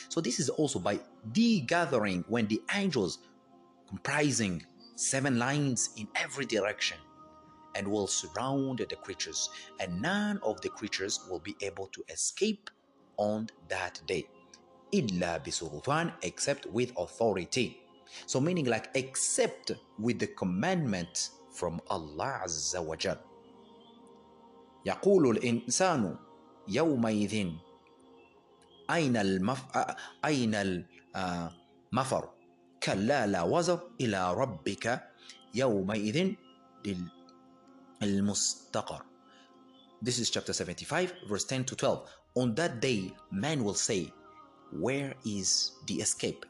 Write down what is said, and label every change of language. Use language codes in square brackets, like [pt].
[en] So this is also by the gathering when the angels comprising seven lines in every direction and will surround the creatures, and none of the creatures will be able to escape on that day, illa bisurutan, except with authority. So meaning like except with the commandment from Allah Azza wa Jal. [ar] يقول الإنسان يومئذ أين المفر كلا لا وزر إلى ربك يومئذ للمستقر. [en] This is chapter 75, verse 10 to 12. On that day, man will say, where is the escape?